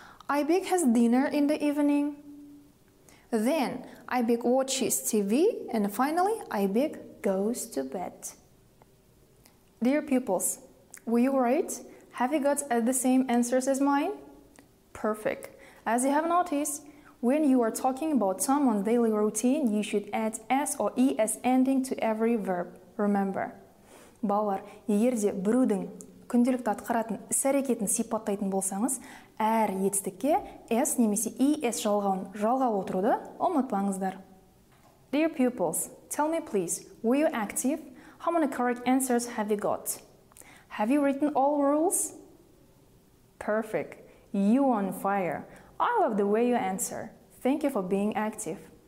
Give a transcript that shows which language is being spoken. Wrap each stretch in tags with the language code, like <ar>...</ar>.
<en>Aybek has dinner in the evening. Then Aybek watches TV and finally Aybek goes to bed. Dear pupils, were you right? Have you got the same answers as mine? Perfect. As you have noticed, when you are talking about someone's daily routine, you should add S or ES ending to every verb. Remember.</en> <kk>Балар, егер де біреудің күнделікті атқаратын іс-әрекетін сипаттайтын болсаңыз, әр етістікке S немесе ES жалғауын жалғау отыруды ұмытпаңыздар.</kk> <en>Dear pupils, tell me please, were you active? How many correct answers have you got? Have you written all rules? Perfect. You on fire. I love the way you answer. Thank you for being active.</en>